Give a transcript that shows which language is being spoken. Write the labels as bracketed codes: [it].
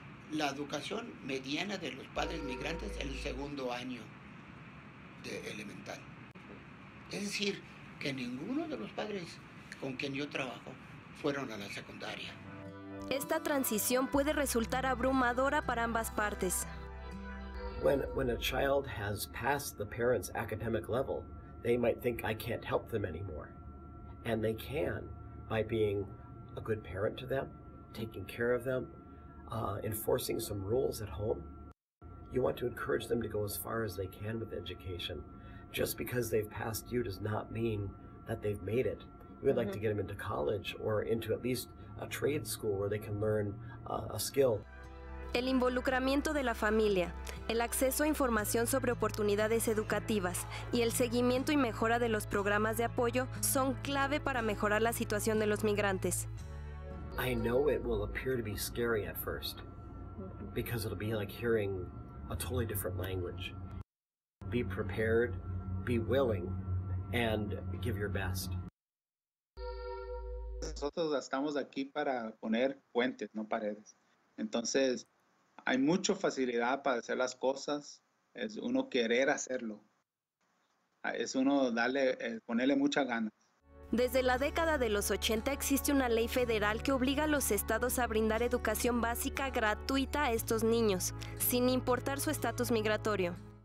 [es] La educación mediana de los padres migrantes es el segundo año de elemental. Es decir, que ninguno de los padres con quien yo trabajo fueron a la secundaria. Esta transición puede resultar abrumadora para ambas partes. [en] When a child has passed the parents' academic level, they might think I can't help them anymore. And they can by being a good parent to them, taking care of them, enforcing some rules at home. You want to encourage them to go as far as they can with education. Just because they've passed you does not mean that they've made it. You would like to get them into college or into at least a trade school where they can learn a skill. [es] El involucramiento de la familia, el acceso a información sobre oportunidades educativas y el seguimiento y mejora de los programas de apoyo son clave para mejorar la situación de los migrantes. [en] I know it will appear to be scary at first because it'll be like hearing a totally different language. Be prepared, be willing, and give your best. [es] Nosotros estamos aquí para poner puentes, no paredes. Entonces, hay mucha facilidad para hacer las cosas. Es uno querer hacerlo. Es uno ponerle muchas ganas. Desde la década de los 80 existe una ley federal que obliga a los estados a brindar educación básica gratuita a estos niños, sin importar su estatus migratorio.